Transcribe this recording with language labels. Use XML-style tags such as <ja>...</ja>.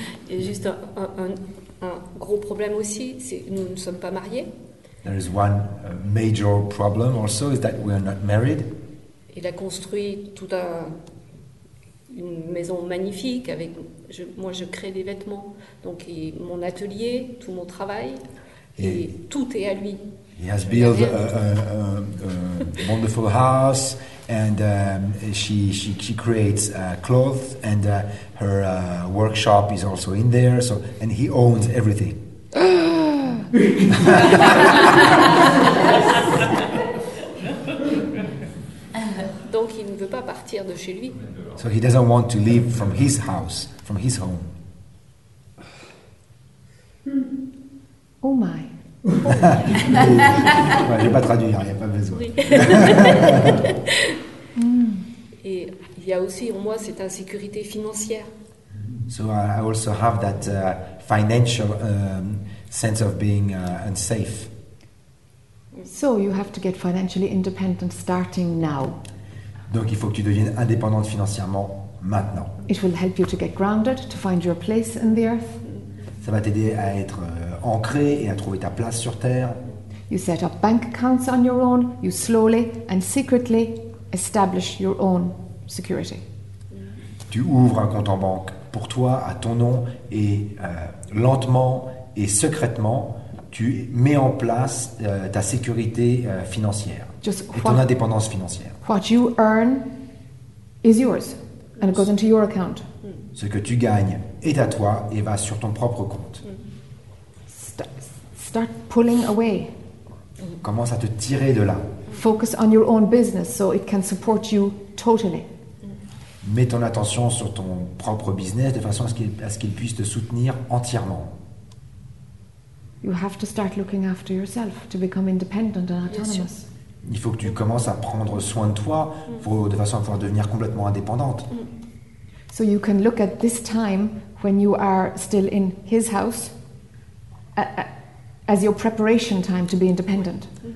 <fr>Il y a juste un gros problème aussi, c'est que nous ne sommes pas mariés.</fr> <en>There is one major problem also, is that we are not married.</en> <fr>Il a construit tout une maison magnifique avec moi je crée des vêtements donc et mon atelier tout mon travail et tout est à lui.</fr> <en>He has built a wonderful house and she creates clothes and her workshop is also in there so and he owns everything.</en> <fr>Donc il ne veut pas partir de chez lui.</fr> <en>So he doesn't want to leave from his house, from his home. Oh my.</en> <fr>Je vais pas traduire, il y a pas besoin. Oui. Et il y a aussi en moi cette insécurité financière.</fr> <en>So I also have that financial sense of being unsafe. So you have to get financially independent starting now.</en> <fr>Donc il faut que tu deviennes indépendante financièrement maintenant.</fr> <en>It will help you to get grounded, to find your place in the earth.</en> <fr>Ça va t'aider à être ancrée et à trouver ta place sur terre.</fr> <en>You set up bank accounts on your own, you slowly and secretly establish your own security.</en> <fr>Tu ouvres un compte en banque pour toi à ton nom et lentement et secrètement tu mets en place ta sécurité financière.</fr> <en>Just</en> <fr>et ton indépendance financière.</fr> <en>What you earn is yours, and it goes into your account.</en> <fr>Ce que tu gagnes est à toi et va sur ton propre compte.</fr> <en>Start pulling away.</en> <fr>Commence à te tirer de là.</fr> <en>Focus on your own business so it can support you totally.</en> <fr>Mets ton attention sur ton propre business de façon à ce qu'il puisse te soutenir entièrement.</fr> <en>You have to start looking after yourself to become independent and autonomous.</en> <fr>Il faut que tu commences à prendre soin de toi de façon à pouvoir devenir complètement indépendante.</fr> <en>So you can look at this time when you are still in his house as your preparation time to be independent.</en>